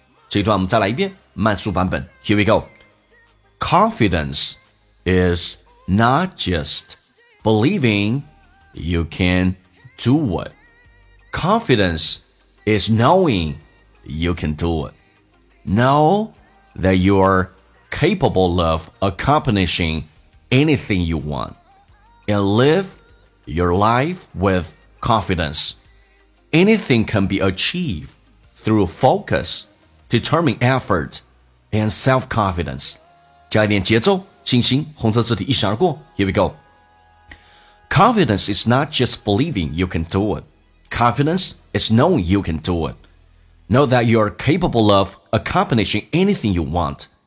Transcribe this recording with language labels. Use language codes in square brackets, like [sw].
[zh] 这一段我们再来一遍，慢速版本。 [en] Here we go. Confidence is not just believing you can do it. Confidence is knowing you can do it. Know that you are capable of accomplishing anything you want. And live your life withConfidence. Anything can be achieved through focus, determined effort, and self-confidence. [zh] 加一点节奏，信心，红色字体一闪而过。 [en] Here we go. Confidence is not just believing you can do it. Confidence is knowing you can do it. Know that you are capable of accomplishing anything you want.